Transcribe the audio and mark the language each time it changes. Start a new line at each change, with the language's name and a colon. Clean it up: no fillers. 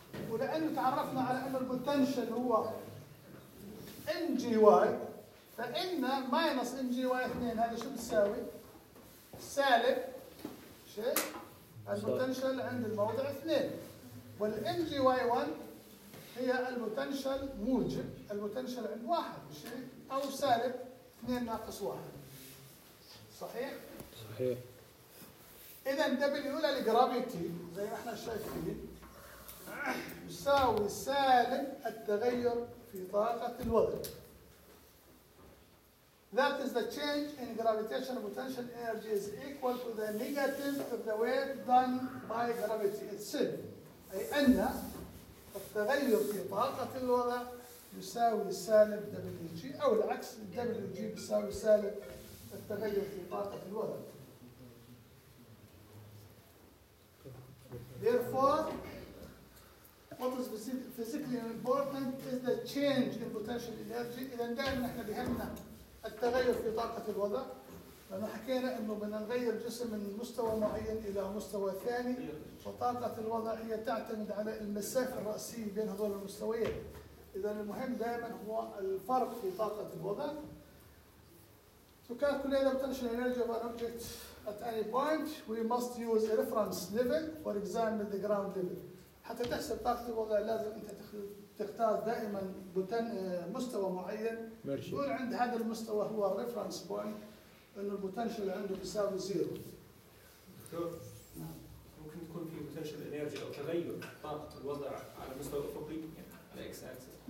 Arabic: ولأنه تعرفنا على أن البوتنشل هو إن جي واي فإن ماينس إن جي واي 2 هذا شو بتساوي؟ سالب شيء البوتنشل عند الموضع 2 والإن جي واي 1 هي البوتنشل موجب البوتنشل عند 1 شيء أو سالب 2 ناقص 1 صحيح؟ صحيح. إذن دبليو الأولى الجرافيتي زي ما احنا شايفين يساوي سالب التغير في طاقة الوضع.
English: That is the change in gravitational potential energy is equal to the negative of the work done by gravity itself.
Arabic: أي أن التغير في طاقة الوضع يساوي سالب WG أو العكس WG يساوي سالب التغير في طاقة الوضع.
English: Therefore what is physically important is the change in potential energy.
Arabic: إذا دائما احنا بهمنا التغير في طاقة الوضع لأنه حكينا إنه بدنا نغير جسم من مستوى معين إلى مستوى ثاني وطاقة الوضع هي تعتمد على المسافة الرأسية بين هذول المستويين. إذا المهم دائما هو الفرق في طاقة الوضع.
English: To calculate the potential energy of an object at any point we must use a reference level or examine the ground level.
Arabic: حتى تحسب طاقة الوضع لازم أنت تختار دائما مستوى معين يكون عند هذا المستوى هو الريفرنس بوينت إنه البوتنشل عنده بيساوي زيرو. ممكن تكون في بوتنشل إنرجي أو تغير طاقة الوضع على مستوى أفقي يعني على X axis؟